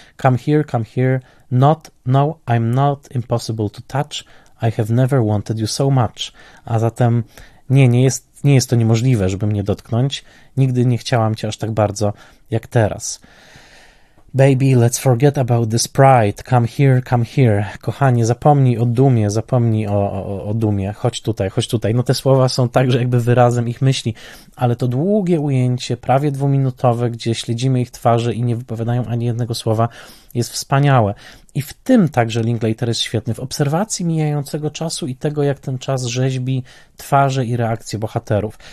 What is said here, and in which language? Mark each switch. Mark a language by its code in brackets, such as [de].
[en] Come here, not, no, I'm not impossible to touch, I have never wanted you so much. [pl] A zatem nie jest to niemożliwe, żeby mnie dotknąć, nigdy nie chciałam cię aż tak bardzo jak teraz. [en] Baby, let's forget about this pride. Come here. [pl] Kochanie, zapomnij o dumie, zapomnij o dumie. Chodź tutaj, chodź tutaj. No te słowa są także jakby wyrazem ich myśli, ale to długie ujęcie, prawie dwuminutowe, gdzie śledzimy ich twarze i nie wypowiadają ani jednego słowa, jest wspaniałe. I w tym także Linklater jest świetny. W obserwacji mijającego czasu i tego, jak ten czas rzeźbi twarze i reakcje bohaterów.